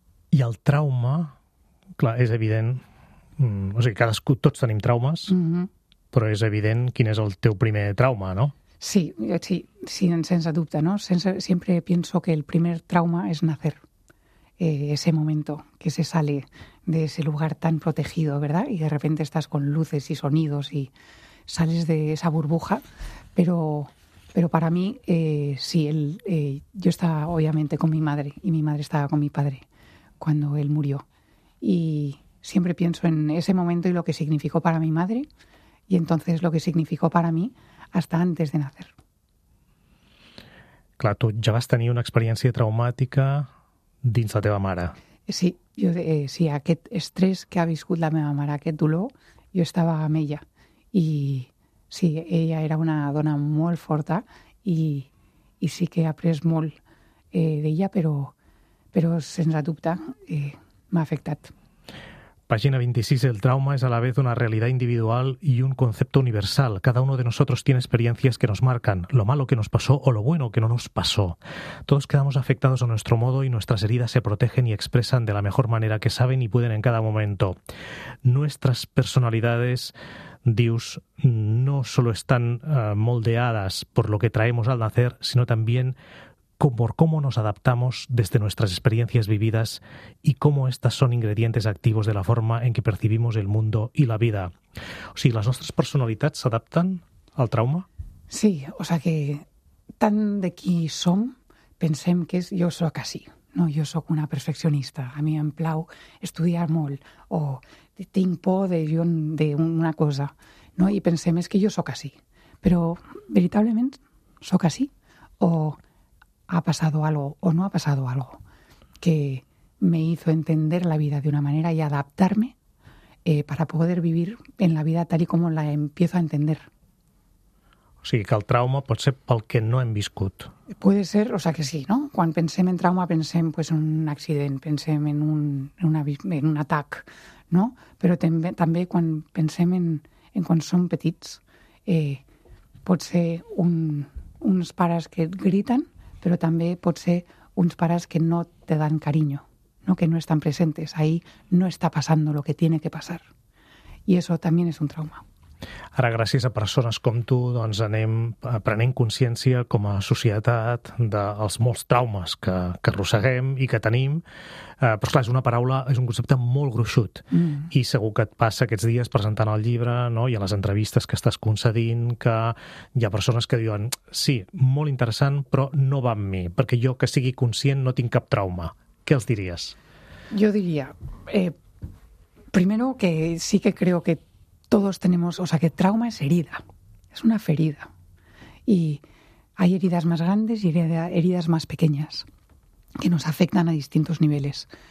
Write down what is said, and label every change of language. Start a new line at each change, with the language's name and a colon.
Catalan: I el trauma, clar, és evident, o sigui, cadascú, tots tenim traumes, però és evident quin és el teu primer trauma, no? Sí, sense dubte, no? Sempre penso que el primer trauma és nacer.
Spanish: Ese momento que se sale de ese lugar tan protegido, ¿verdad? Y de repente estás con luces y sonidos y sales de esa burbuja. Pero para mí, yo estaba obviamente con mi madre y mi madre estaba con mi padre cuando él murió. Y siempre pienso en ese momento y lo que significó para mi madre y entonces lo que significó para mí hasta antes de nacer. Clar, tú ya vas a tener una experiencia traumática...
Catalan: dins la teva mare. Sí, sí, aquest estrès que ha viscut la meva mare, aquest dolor, jo estava amb ella. I sí, ella era una dona molt forta i sí que he après molt d'ella, però sense dubte m'ha afectat. Pàgina 26. El trauma és a la vez una realitat individual i un concepte universal.
Spanish: Cada uno de nosotros tiene experiencias que nos marcan, lo malo que nos pasó o lo bueno que no nos pasó. Todos quedamos afectados a nuestro modo y nuestras heridas se protegen y expresan de la mejor manera que saben y pueden en cada momento. Nuestras personalidades, dius, no solo están moldeadas por lo que traemos al nacer, sino también por cómo nos adaptamos desde nuestras experiencias vividas y cómo estas son ingredientes activos de la forma en que percibimos el mundo y la vida. O sea, ¿las nuestras personalidades se adaptan al trauma?
Catalan: Sí, o sea que tan de qui som, pensem que és, jo sóc així, no? Jo sóc una perfeccionista, a mi em plau estudiar molt o tinc por d'una cosa, no? I pensem és que jo sóc així, però veritablement sóc així o
Spanish: ha pasado algo o no ha pasado algo que me hizo entender la vida de una manera y adaptarme para poder vivir en la vida tal y como la empiezo a entender.
Catalan: O sigui, que el trauma pot ser pel que no hem viscut.
Spanish: Puede ser, o sea que sí, ¿no?
Catalan: Quan pensem en trauma pensem pues, en un accident, pensem en un atac, ¿no? Però també quan pensem en quan som petits pot ser uns pares que griten, però també pot ser uns pares que no
Spanish: te dan cariño,
Catalan: no, que no estan presents. Ahí no està passant
Spanish: lo que tiene que
Catalan: passar. I això també és un trauma. Ara, gràcies a persones com tu, doncs anem prenent consciència com a societat dels molts traumes que arrosseguem i que tenim. Però, clar, és una paraula, és un concepte molt gruixut. Mm. I segur que et passa aquests dies presentant el llibre, no?, i a les entrevistes que estàs concedint, que hi ha persones que diuen sí, molt interessant, però no va amb mi, perquè jo que sigui conscient no tinc cap trauma. Què els diries? Jo diria,
Spanish: primero que sí que creo que todos tenemos, o sea, que trauma es herida, es una ferida. Y hay heridas más grandes y heridas más pequeñas que nos afectan a distintos niveles.